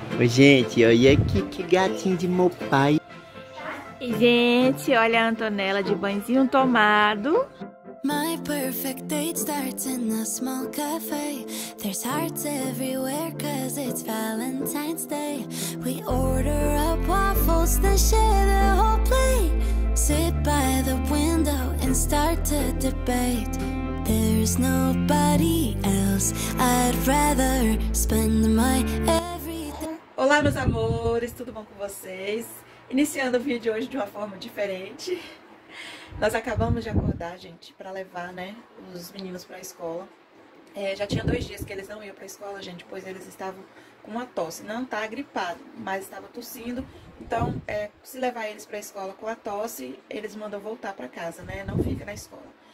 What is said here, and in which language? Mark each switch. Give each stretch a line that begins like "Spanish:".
Portuguese: Gente, olha aqui que gatinho de meu pai. Gente, olha a Antonella de banhozinho tomado.
English: My perfect date starts in a small cafe. There's hearts everywhere, cause it's Valentine's Day. We order up waffles, then share the whole plate. Sit by the window and start to debate. There's nobody else I'd rather spend my everything.
Portuguese: Olá, meus amores, tudo bom com vocês? Iniciando o vídeo hoje de uma forma diferente. Nós acabamos de acordar, gente, para levar, né, os meninos para a escola. É, já tinha 2 dias que eles não iam para a escola, gente, pois eles estavam com uma tosse. Não tá gripado, mas estava tossindo. Então, se levar eles para a escola com a tosse, eles mandam voltar para casa, né? Não fica na escola.